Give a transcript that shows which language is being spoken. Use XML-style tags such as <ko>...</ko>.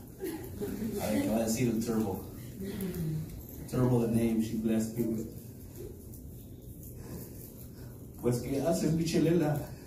<es>Ay, que va a decir el Turbo.</es> <en>Turbo, the name she blessed me with.</en> <es>Pues, ¿qué haces, Michelela?</es>